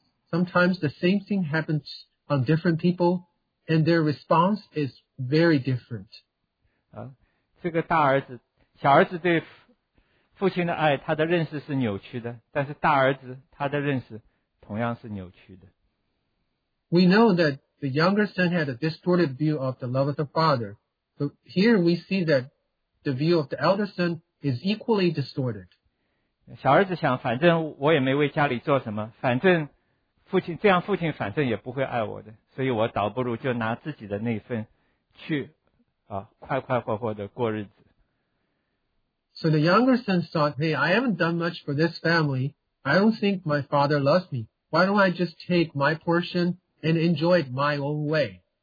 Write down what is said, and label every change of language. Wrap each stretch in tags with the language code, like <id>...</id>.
<en>sometimes the same thing happens on different people, and their response is very different.</en> <zh>这个大儿子，小儿子对父亲的爱，他的认识是扭曲的，但是大儿子他的认识同样是扭曲的。</zh> <en>We know that the younger son had a distorted view of the love of the father. So here we see that the view of the elder son is equally distorted.</en> <zh>小儿子想，反正我也没为家里做什么，反正父亲这样，父亲反正也不会爱我的，所以我倒不如就拿自己的那份去，快快活活的过日子。</zh> <en>So the younger son thought, hey, I haven't done much for this family. I don't think my father loves me. Why don't I just take my portion and enjoy it my own way?</en>